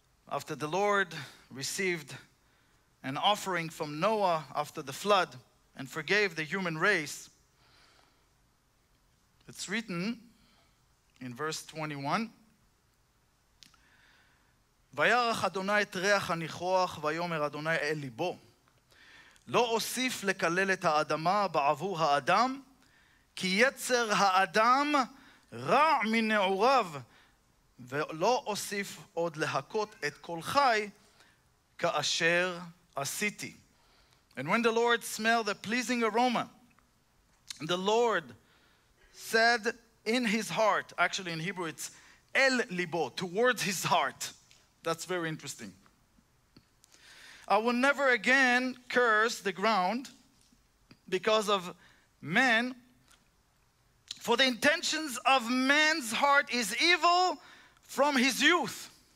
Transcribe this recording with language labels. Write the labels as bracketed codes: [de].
[en] After the Lord received an offering from Noah after the flood and forgave the human race, it's written in verse 21. [he] וירח אדוני את ריח הניחוח ויאמר אדוני אל ליבו לא אוסיף לקלל את האדמה בעבור האדם כי יצר האדם רע מנעוריו ולא אוסיף עוד להכות את כל חי כאשר עשיתי. [en] And when the Lord smelled the pleasing aroma, the Lord said in his heart, actually in Hebrew it's el libo, towards his heart. That's very interesting. I will never again curse the ground because of man, for the intentions of man's heart is evil from his youth.